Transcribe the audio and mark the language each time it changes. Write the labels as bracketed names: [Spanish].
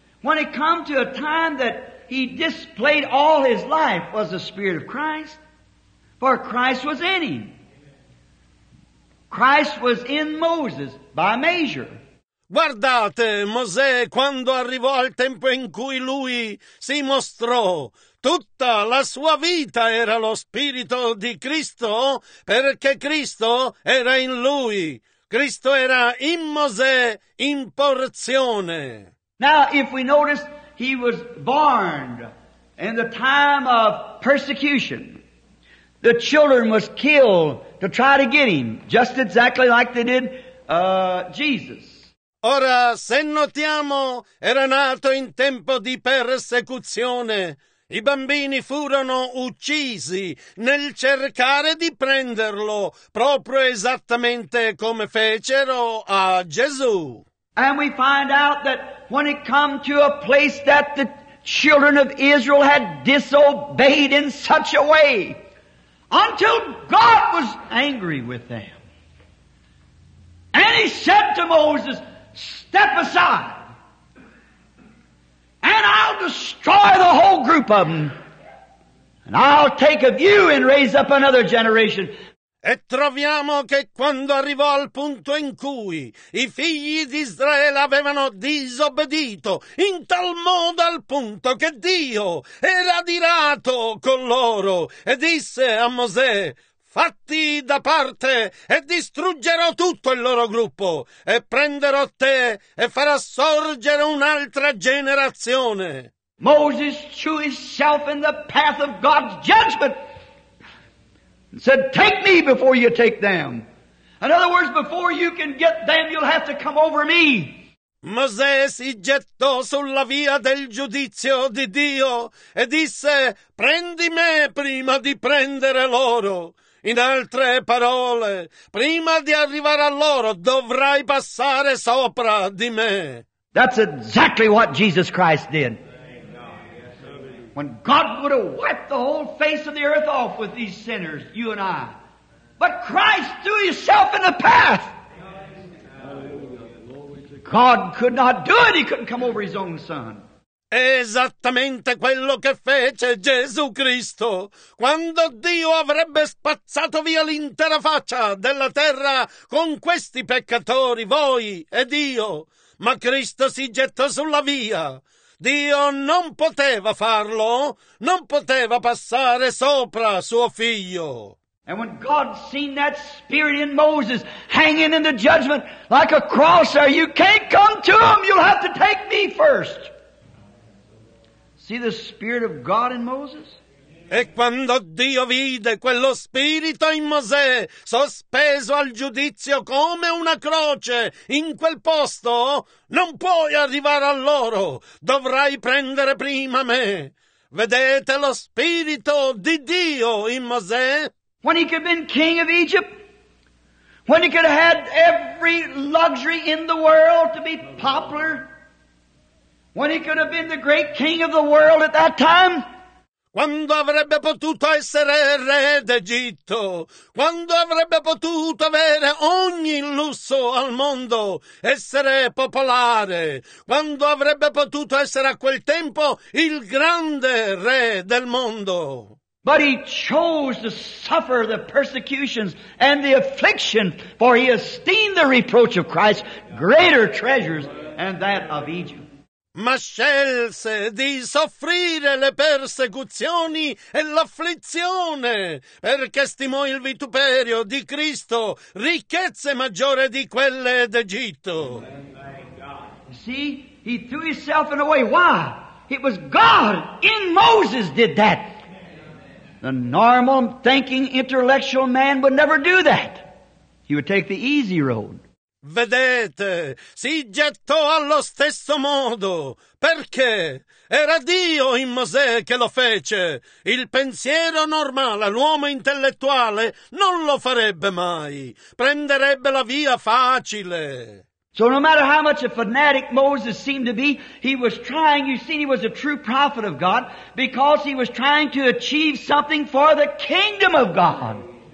[English] When it come to a time that he displayed all his life was the Spirit of Christ, for Christ was in him. Christ was in Moses by measure. [Italian] Guardate, Mosè, quando arrivò al tempo in cui lui si mostrò, tutta la sua vita era lo Spirito di Cristo, perché Cristo era in lui. Cristo era in Mosè in porzione. [English] Now, if we notice, he was born in the time of persecution. The children was killed to try to get him, just exactly like they did Jesus. [Italian] Ora, se notiamo, era nato in tempo di persecuzione. I bambini furono uccisi nel cercare di prenderlo, proprio esattamente come fecero a Gesù. [English] And we find out that when it come to a place that the children of Israel had disobeyed in such a way, until God was angry with them. And he said to Moses, step aside. And I'll destroy the whole group of them. And I'll take of you and raise up another generation. [Italian] E troviamo che quando arrivò al punto in cui i figli di Israele avevano disobbedito, in tal modo al punto che Dio era adirato con loro, e disse a Mosè, fatti da parte e distruggerò tutto il loro gruppo e prenderò te e farò sorgere un'altra generazione. [English] Moses threw himself in the path of God's judgment and said, take me before you take them. In other words, before you can get them, you'll have to come over me. [Italian] Mosè si gettò sulla via del giudizio di Dio e disse, prendi me prima di prendere loro. In altre parole, prima di arrivare a loro dovrai passare sopra di me. [English] That's exactly what Jesus Christ did. when God would have wiped the whole face of the earth off with these sinners, you and I. But Christ threw himself in the path. God could not do it. He couldn't come over his own son. [Italian] Esattamente quello che fece Gesù Cristo quando Dio avrebbe spazzato via l'intera faccia della terra con questi peccatori, voi ed io. Ma Cristo si gettò sulla via. Dio non poteva farlo, non poteva passare sopra suo figlio. [English] And when God seen that spirit in Moses hanging in the judgment like a cross there, you can't come to him, you'll have to take me first. See the Spirit of God in Moses? [Italian] E quando Dio vide quello spirito in Mosè, sospeso al giudizio come una croce in quel posto, non puoi arrivare a loro, dovrai prendere prima me. Vedete lo Spirito di Dio in Mosè? [English] When he could have been king of Egypt, when he could have had every luxury in the world to be popular, when he could have been the great king of the world at that time? [Italian] Quando avrebbe potuto essere re d'Egitto? Quando avrebbe potuto avere ogni lusso al mondo? Essere popolare? Quando avrebbe potuto essere a quel tempo il grande re del mondo? [English] But he chose to suffer the persecutions and the affliction, for he esteemed the reproach of Christ greater treasures than that of Egypt. [Italian] Ma scelse di soffrire le persecuzioni e l'afflizione, perché stimò il vituperio di Cristo ricchezze maggiore di quelle d'Egitto. [English] You see, he threw himself in a way. Why? It was God in Moses did that. The normal thinking intellectual man would never do that. He would take the easy road. [Italian] Vedete, si gettò allo stesso modo. Perché? Era Dio in Mosè che lo fece. Il pensiero normale, l'uomo intellettuale, non lo farebbe mai. Prenderebbe la via facile. [English] So no matter how much a fanatic Moses seemed to be, he was trying, you see, he was a true prophet of God, because he was trying to achieve something for the kingdom of God.